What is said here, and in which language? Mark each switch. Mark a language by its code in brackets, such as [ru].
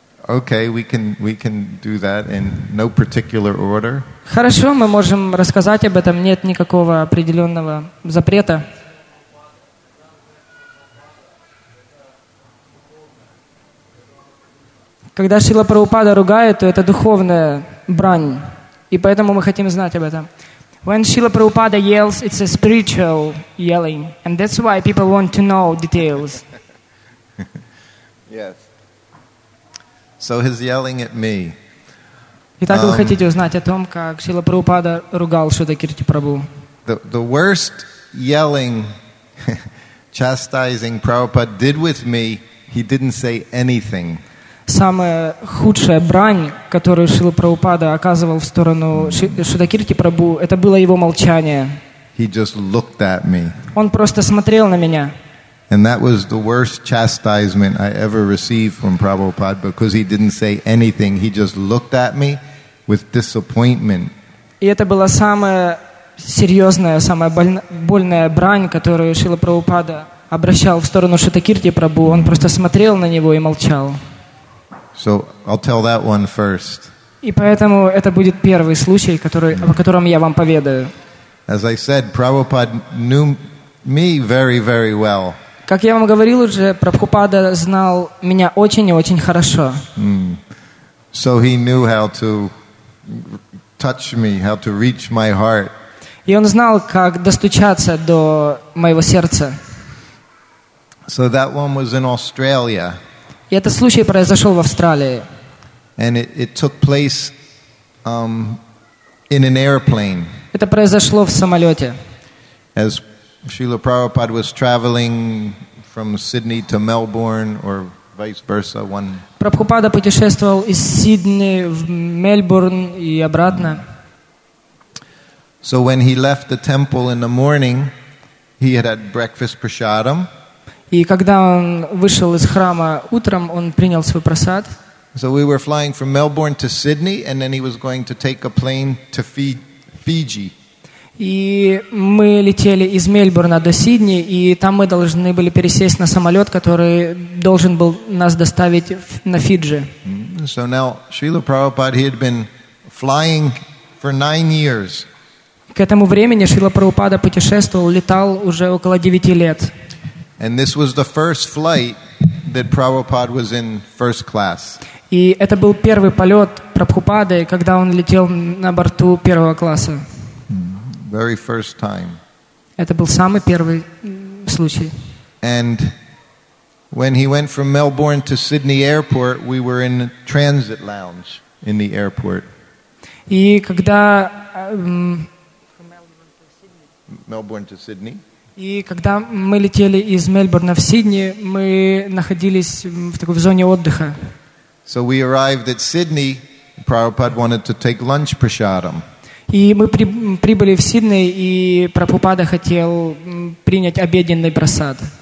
[en] Okay, we can do that in no particular order. [ru] Хорошо, мы можем рассказать об этом, нет никакого определенного запрета. Когда Шрила Прабхупада ругает, то это духовная брань. И поэтому мы хотим знать об этом. [en] When Srila Prabhupada yells, it's a spiritual yelling. And that's why people want to know details. Yes. So he's yelling at me. [ru] Итак, вы хотите узнать о том, как Шрила Прабхупада ругал Шрилу Кирти Прабху. [en] The worst yelling, chastising Prabhupada did with me, he didn't say anything. [ru] Самая худшая брань, которую Шрила Прабхупада оказывал в сторону Шудакирти Прабху, это было его молчание. [en] He just looked at me. [ru] Он просто смотрел на меня. [en] And that was the worst chastisement I ever received from Prabhupada, because he didn't say anything. He just looked at me with disappointment. [ru] И это была самая серьезная, самая больная брань, которую Шрила Прабхупада обращал в сторону Шудакирти Прабху. Он просто смотрел на него и молчал. [en] So I'll tell that one first. [ru] И поэтому это будет первый случай, о котором я вам поведаю. [en] As I said, Prabhupada knew me very, very well. [ru] Как я вам говорил уже, Прабхупада знал меня очень и очень хорошо. [en] So he knew how to touch me, how to reach my heart. [ru] И он знал, как достучаться до моего сердца. [en] So that one was in Australia. [ru] И этот случай произошел в Австралии. [en] And it took place, in an airplane. [ru] Это произошло в самолете. [en] As Srila Prabhupada was traveling from Sydney to Melbourne or vice versa, one. [ru] Прабхупада путешествовал из Сидни в Мельбурн и обратно. [en] So when he left the temple in the morning, he had breakfast prasadam. [ru] И когда он вышел из храма утром, он принял свой просад. [en] So we were flying from Melbourne to Sydney, and then he was going to take a plane to Fiji. [ru] И мы летели из Мельбурна до Сидни, и там мы должны были пересесть на самолет, который должен был нас доставить на Фиджи. [en] So now Srila Prabhupada, he had been flying for 9 years. [ru] К этому времени Шрила Прабхупада путешествовал, летал уже около 9 лет. [en] And this was the first flight that Prabhupada was in first class. [ru] И это был первый полет Прабхупады, когда он летел на борту первого класса. [en] Very first time. [ru] Это был самый первый случай. [en] And when he went from Melbourne to Sydney Airport, we were in the transit lounge in the airport. [ru] И когда [en] Melbourne to Sydney. [ru] И когда мы летели из Мельбурна в Сидни, мы находились в такой зоне отдыха. [en] So we arrived at Sydney. Prabhupada wanted to take lunch prasadam. [ru] И мы прибыли в Сидни, и Прабхупада хотел принять обеденный просад.